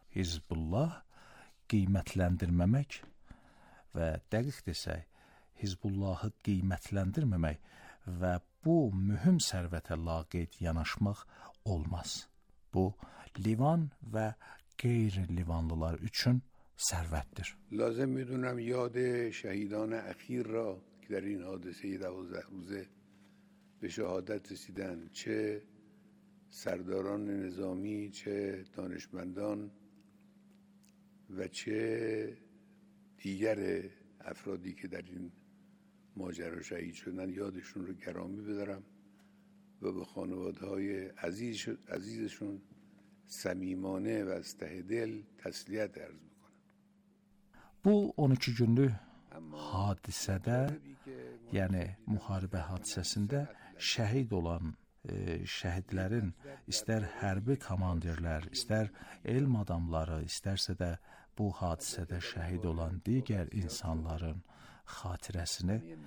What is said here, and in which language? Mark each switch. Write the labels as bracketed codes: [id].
[az] Hizbullah qiymətləndirməmək və dəqiq desək, Hizbullahı qiymətləndirməmək və bu mühüm sərvətə laqeyd yanaşmaq olmaz. Bu, Livan və qeyri-Livanlılar üçün sərvətdir. [fa] Lazım midunam yad şəhidan əxir ra ki, dər in hadisəyə 12 rüzə به شهادت رسیدن، چه سرداران نظامی، چه دانشمندان و چه دیگر افرادی که در این ماجرا شهید شدن، یادشون رو گرامی بدارم و به خانواده‌های عزیزشون صمیمانه و از ته دل تسلیت عرض بکنم. [az] بو 12 گنده hadisədə, yəni müharibə hadisəsində şəhid olan şəhidlərin istər hərbi komandirlər, istər elm adamları, istərsə də bu hadisədə şəhid olan digər insanların xatirəsini